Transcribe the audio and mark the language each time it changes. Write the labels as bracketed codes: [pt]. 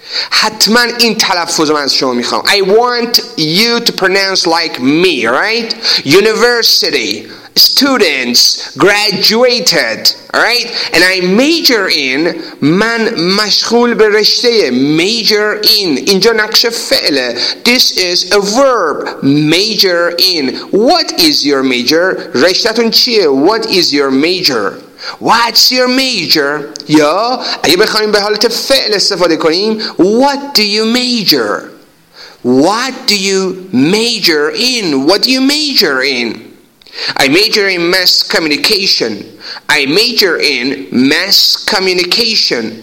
[fa] حتما این تلفظ من از شما میخوام. [en] I want you to pronounce like me, right? University, students, graduated, right? And I major in, [fa] من مشغول به رشته, [en] major in. [fa] اینجا نقش فعله. [en] This is a verb, major in. What is your major? [fa] رشتتون چیه? [en] What is your major? What's your major? [fa] یا اگه بخوایم به حالت فعل استفاده کنیم [en] What do you major? What do you major in? What do you major in? I major in mass communication. I major in mass communication.